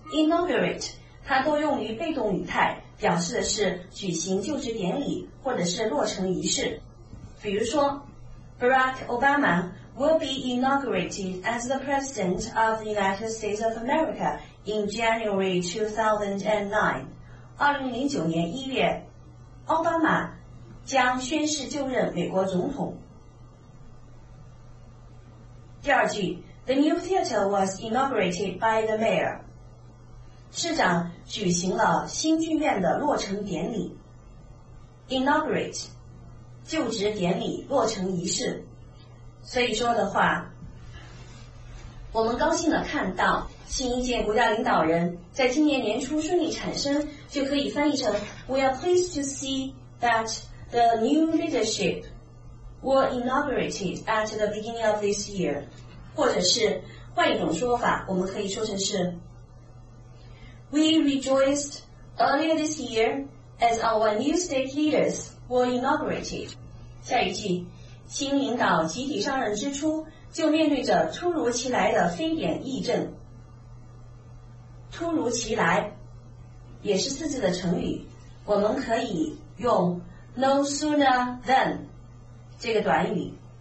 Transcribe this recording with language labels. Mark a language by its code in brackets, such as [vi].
[zh] inaugurate 它多用于被动语态，表示的是举行就职典礼或者是落成仪式，比如说 [en] Barack Obama will be inaugurated as the President of the United States of America in January 2009。 [zh] 2009年1月，奥巴马将宣誓就任美国总统。第二句 [en] ，The new theater was inaugurated by the mayor. [zh] 市长举行了新剧院的落成典礼。 Inaugurate， 就职典礼、落成仪式。所以说的话，我们高兴地看到新一届国家领导人在今年年初顺利产生，就可以翻译成 [en] We are pleased to see that The new leadership were inaugurated at the beginning of this year. [zh] 或者是换一种说法，我们可以说成是 [en] We rejoiced earlier this year as our new state leaders were inaugurated. [zh] 下一句，新领导集体上任之初就面对着突如其来的非典疫症。突如其来也是四字的成语，我们可以用 [en] no sooner than [zh] 这个短语，